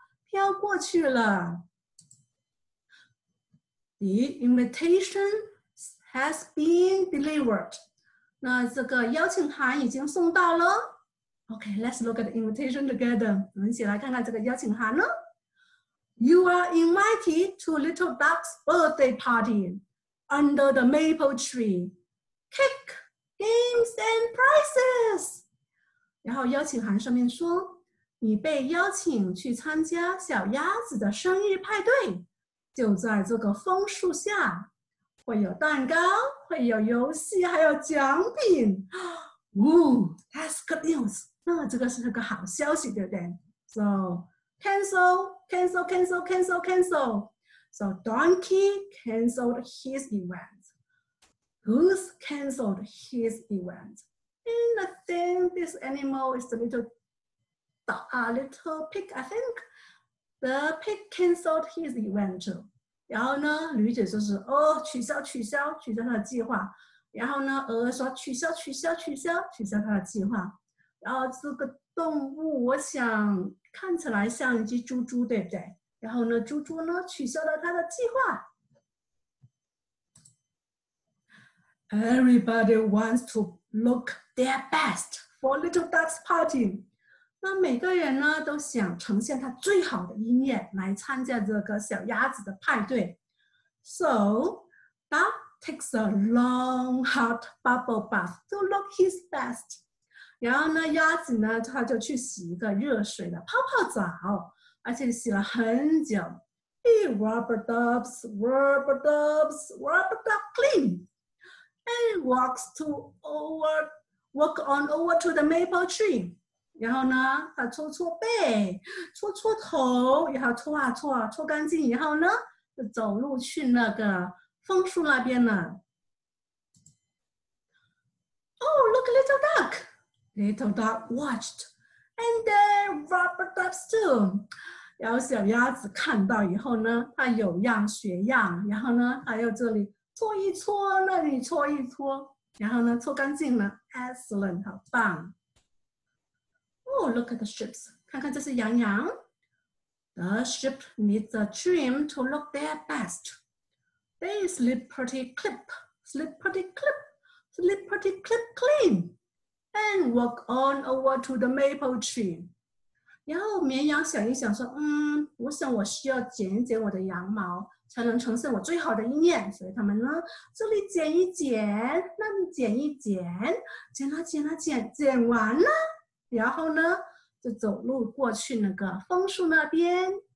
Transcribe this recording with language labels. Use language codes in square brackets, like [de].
[zh] 飘过去了。 [en] The invitation has been delivered. [zh] 那这个邀请函已经送到了。 [en] Okay, let's look at the invitation together. [zh] 我们一起来看看这个邀请函呢。 [en] You are invited to Little Duck's birthday party under the maple tree. Cake, games, and prizes. [zh] 然后邀请函上面说你被邀请去参加小鸭子的生日派对，就在这个枫树下，会有蛋糕，会有游戏，还有奖品。 [en] Woo, that's good news. [zh] 那这个是个好消息，对不对 ？ [en] So cancel, cancel, cancel, cancel, cancel. So donkey canceled his event. Goose canceled his event. And I think this animal is a little. A little pig, I think. The pig canceled his event. [zh] 然后呢，驴子就是哦，取消，取消，取消他的计划。然后呢，鹅说取消，取消，取消，取消他的计划。然后这个动物，我想看起来像一只猪猪，对不对？然后呢，猪猪呢，取消了他的计划。 [en] Everybody wants to look their best for Little Duck's party. [zh] 那每个人呢都想呈现他最好的一面来参加这个小鸭子的派对。 [en] So, Duck takes a long hot bubble bath to look his best. [zh] 然后呢鸭子呢他就去洗一个热水的泡泡澡，而且洗了很久。 [en] He rub-a-dubs, rub-a-dubs, rub-a-dub clean. And walks to over, walk on over to the maple tree. [zh] 然后呢，他搓搓背，搓搓头，然后搓啊搓啊，搓干净以后呢，就走路去那个枫树那边了。 [en] Oh, look, little duck! Little duck watched, and then rubber ducks too. [zh] 然后小鸭子看到以后呢，它有样学样，然后呢，还有这里搓一搓，那里搓一搓，然后呢，搓干净了 ，excellent, 好棒。 [en] Oh, look at the ships. [zh] 看看这是羊羊。 [en] The ship needs a trim to look their best. They slippity clip, slippity clip, slippity clip clean. and walk on over to the maple tree. [zh] 然后绵羊想一想说，我想我需要剪一剪我的羊毛，才能呈现我最好的一面。所以他们呢，这里剪一剪，那里剪一剪，剪了剪了剪，剪完了，然后呢，就走路过去那个枫树那边。